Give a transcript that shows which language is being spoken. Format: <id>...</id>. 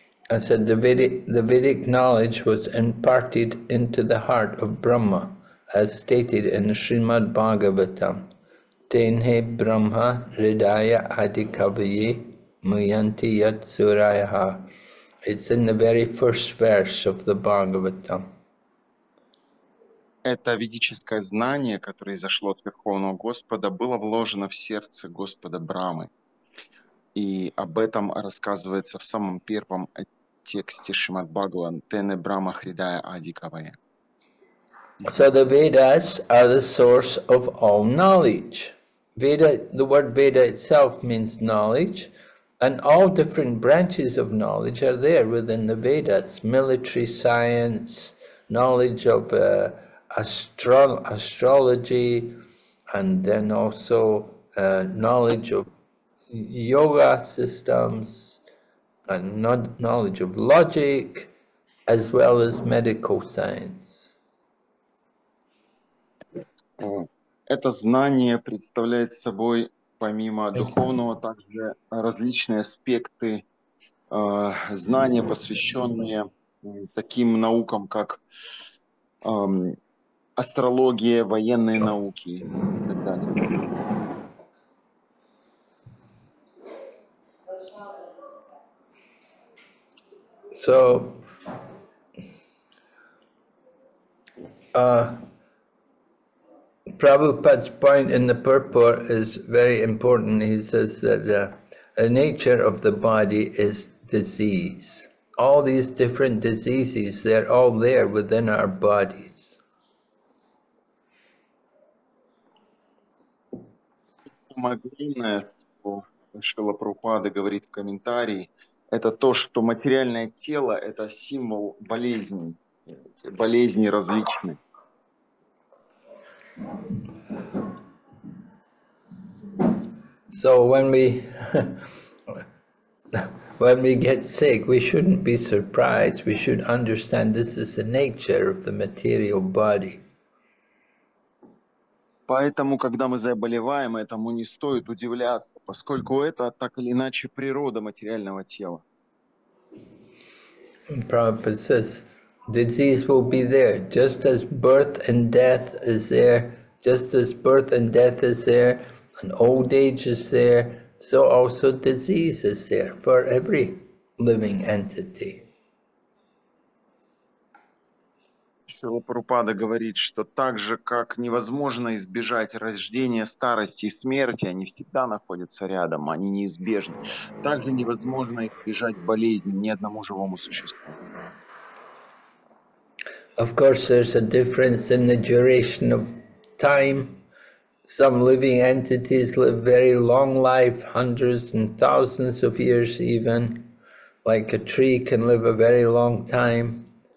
<en>I said the Vedic knowledge was imparted into the heart of Brahma, as stated in Srimad Bhagavatam.</en> <sa>Tenhe Brahma Hridaya Adikavaye Muyanti Yatsurayaha.</sa> <en>It's in the very first verse of the Bhagavatam.</en> <ru>Это ведическое знание, которое изошло от Верховного Господа, было вложено в сердце Господа Брамы. И об этом рассказывается в самом первом тексте Шримад Бхагаван.</ru> <sa>Тенхе Брахма Хридая Адикавая.</sa> <en>So the Vedas are the source of all knowledge. Veda, the word Veda itself means knowledge, and all different branches of knowledge are there within the Vedas. Military science, knowledge of astrology, and then also knowledge of yoga systems, and knowledge of logic, as well as medical science.</en> <ru>Это знание представляет собой, помимо духовного, также различные аспекты знания, посвященные таким наукам, как астрология, военные науки и так далее.</ru> <en>So, Prabhupada's point in the purport is very important. He says that the nature of the body is disease. All these different diseases, they're all there within our bodies.</en> <ru>Самое главное, что Прабхупада говорит в комментарии, это то, что материальное тело – это символ болезней, болезней различных.</ru> <en>So when we get sick, we shouldn't be surprised. We should understand this is the nature of the material body.</en> <ru>Поэтому, когда мы заболеваем, этому не стоит удивляться, поскольку это так или иначе природа материального тела.</ru> <en>Prabhupada says, disease will be there, just as birth and death is there, just as birth and death is there, and old age is there, so also disease is there for every living entity.</en> <ru>Шрила Прабхупада говорит, что так же, как невозможно избежать рождения, старости и смерти, они всегда находятся рядом, они неизбежны. Так же невозможно избежать болезни ни одному живому существу.</ru> <en>Of course, there's a difference in the duration of time. Some living entities live very long life, hundreds and thousands of years even. Like a tree can live a very long time.</en>